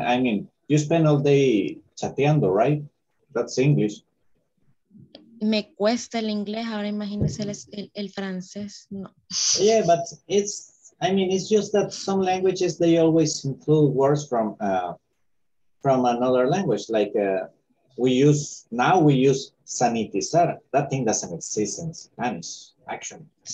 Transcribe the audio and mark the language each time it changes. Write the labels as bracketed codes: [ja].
[en] I mean, you spend all day chateando, right? That's English. [es] Me cuesta el inglés, ahora imagínese el francés. No. [en] Yeah, but it's, I mean, it's just that some languages, they always include words from another language. Like we use sanitizar. That thing doesn't exist in Spanish, actually.